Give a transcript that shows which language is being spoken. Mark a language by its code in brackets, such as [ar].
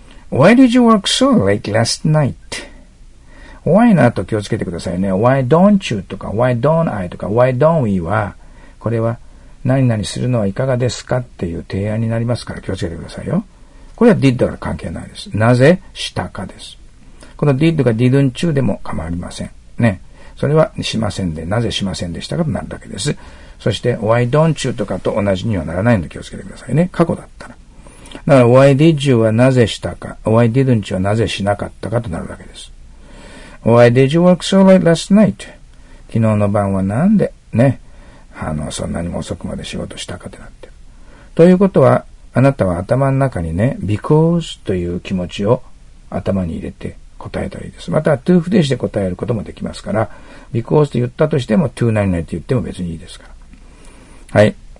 [en] Why did you work so late last night? [ja] Why なと気をつけてくださいね。 [en] Why don't you [ja] とか [en] Why don't I [ja] とか [en] Why don't we [ja] は、これは何々するのはいかがですかっていう提案になりますから気をつけてくださいよ。これは did から関係ないです。なぜしたかです。この did が [en] didn't you [ja] でも構いません。ね。それはしませんで、なぜしませんでしたかとなるだけです。そして [en] Why don't you [ja] とかと同じにはならないので気をつけてくださいね。過去だったら。だから [en] Why did you [ja] はなぜしたか、 [en] Why didn't you [ja] はなぜしなかったかとなるだけです。 [en] Why did you work so late last night? [ja] 昨日の晩はなんでね、そんなにも遅くまで仕事したかってなってる。ということは、あなたは頭の中にね、because という気持ちを頭に入れて答えたらいいです。または to 不定詞で答えることもできますから、because と言ったとしても to 何々って言っても別にいいですから。はい。